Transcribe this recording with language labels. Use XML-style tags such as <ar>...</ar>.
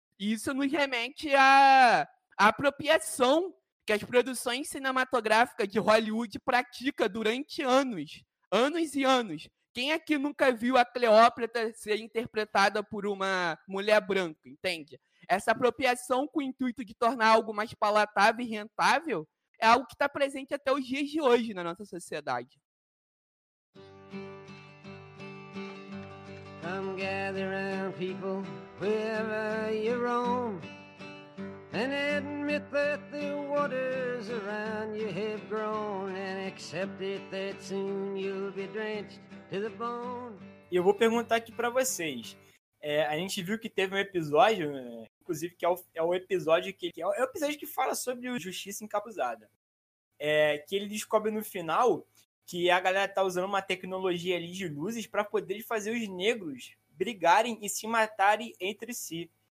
<pt>E isso nos remete à apropriação que as produções cinematográficas de Hollywood praticam durante anos, anos e anos. Quem aqui nunca viu a Cleópatra ser interpretada por uma mulher branca, entende? Essa apropriação com o intuito de tornar algo mais palatável e rentável é algo que está presente até os dias de hoje na nossa sociedade.</pt> <en>Come gather around, people, wherever you roam, and admit that the waters around you have grown, and accept it that soon you'll be drenched to the bone.</en> <pt>E eu vou perguntar aqui pra vocês. A gente viu que teve um episódio, né? Inclusive, que é o episódio é o episódio que fala sobre o Justiça Encapuzada. Que ele descobre no final que a galera tá usando uma tecnologia ali de luzes para poder fazer os negros brigarem e se matarem entre si.</pt>